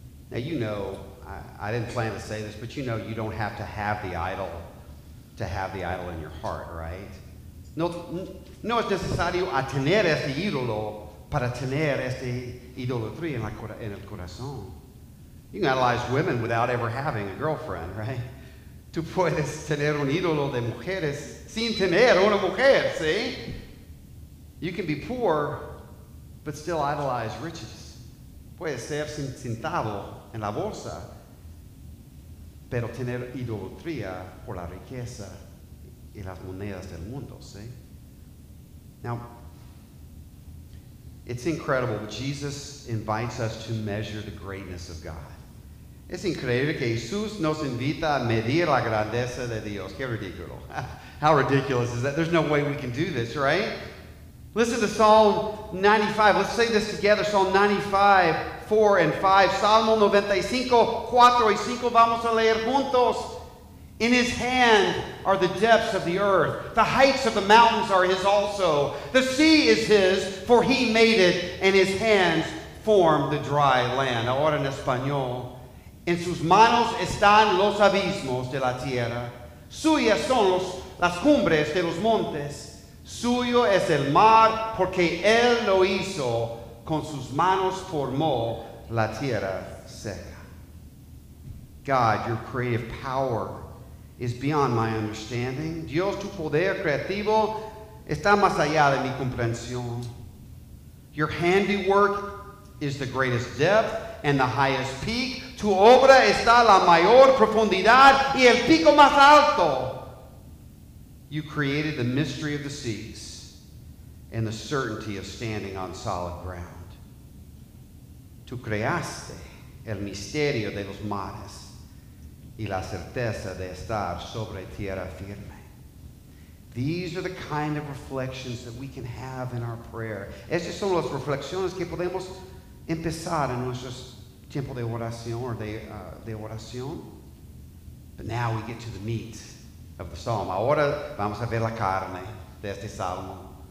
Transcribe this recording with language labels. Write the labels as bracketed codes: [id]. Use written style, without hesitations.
[en] Now you know, I didn't plan to say this, but you know you don't have to have the idol to have the idol in your heart, right? [es] No es necesario a tener este ídolo para tener este idolatría en el corazón. [en] You can idolize women without ever having a girlfriend, right? [es] Tú puedes tener un ídolo de mujeres sin tener una mujer, ¿sí? [en] You can be poor, but still idolize riches. [es] Puedes ser sin centavo en la bolsa, pero tener idolatría por la riqueza y las monedas del mundo, ¿sí? [en] Now, it's incredible. Jesus invites us to measure the greatness of God. [es] Es increíble que Jesús nos invita a medir la grandeza de Dios. Qué ridículo. [en] How ridiculous is that? There's no way we can do this, right? Listen to Psalm 95. Let's say this together. Psalm 95, 4 and 5. [es] Salmo 95, 4 y 5. Vamos a leer juntos. [en] In his hand are the depths of the earth. The heights of the mountains are his also. The sea is his, for he made it, and his hands formed the dry land. [es] Ahora en español. En sus manos están los abismos de la tierra. Suyas son las cumbres de los montes. Suyo es el mar, porque él lo hizo. Con sus manos formó la tierra seca. [en] God, your creative power is beyond my understanding. [es] Dios, tu poder creativo está más allá de mi comprensión. [en] Your handiwork is the greatest depth and the highest peak. [es] Tu obra está la mayor profundidad y el pico más alto. [en] You created the mystery of the seas and the certainty of standing on solid ground. [es] Tu creaste el misterio de los mares y la certeza de estar sobre tierra firme. [en] These are the kind of reflections that we can have in our prayer. [es] Estas son las reflexiones que podemos empezar en nuestro tiempo de oración or de oración. [en] But now we get to the meat of the psalm. [es] Ahora vamos a ver la carne de este salmo.